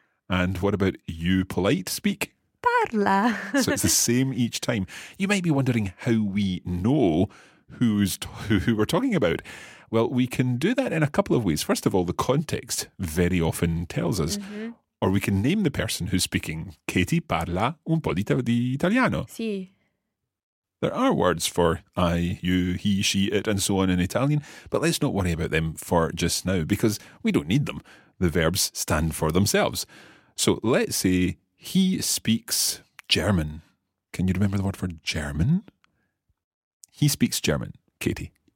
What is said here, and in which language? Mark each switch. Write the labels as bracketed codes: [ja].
[en] And what about you polite speak? [it] Parla. [en] So it's the same each time. You might be wondering how we know who we're talking about. Well, we can do that in a couple of ways. First of all, the context very often tells us. Mm-hmm. Or we can name the person who's speaking. [it] Katie parla un po' di italiano. Sì. [en] There are words for I, you, he, she, it, and so on in Italian, but let's not worry about them for just now, because we don't need them. The verbs stand for themselves. So let's say he speaks German. Can you remember the word for German? He speaks German, Katie.